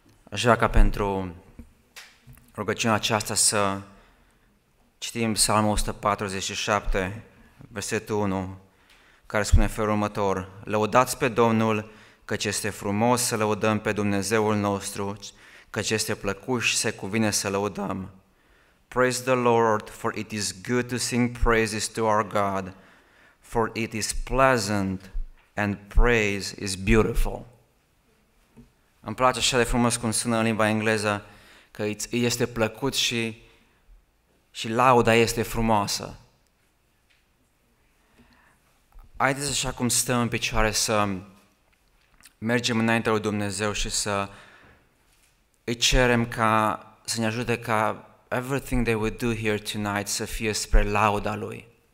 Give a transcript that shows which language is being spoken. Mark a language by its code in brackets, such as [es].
[ro] Așa ca pentru rugăciunea aceasta să citim Psalmul 147, versetul 1, care spune felul următor: lăudați pe Domnul, căci este frumos să lăudăm pe Dumnezeul nostru, căci este plăcut și se cuvine să lăudăm. [en] Praise the Lord, for it is good to sing praises to our God, for it is pleasant and praise is beautiful. [ro] Îmi place așa de frumos cum sună în limba engleză, că este plăcut și lauda este frumoasă. Haideți așa cum stăm în picioare să mergem înaintea lui Dumnezeu și să îi cerem ca să ne ajute ca [en] everything that we do here tonight [ro] să fie spre lauda Lui.